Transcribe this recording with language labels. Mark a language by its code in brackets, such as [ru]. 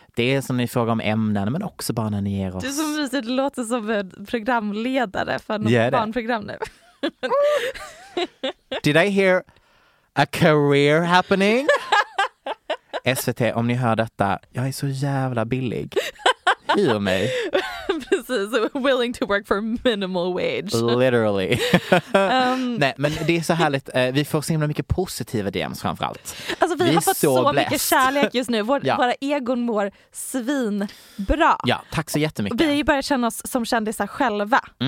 [sv] Det är som ni frågar om ämnen men också bara när ni ger oss... Du som mysigt låter som en programledare för något barnprogram nu. [en] Did I hear... A career happening? [sv] SVT, om ni hör detta, jag är så jävla billig. Hyr mig. Precis, [en] willing to work for minimal wage. Literally. [sv] Nej, men det är så härligt. Vi får så himla mycket positiva DMs framförallt. Alltså vi har fått så mycket kärlek just nu. Våra egon mår svinbra. Ja, tack så jättemycket. Vi börjar känna oss som kändisar själva.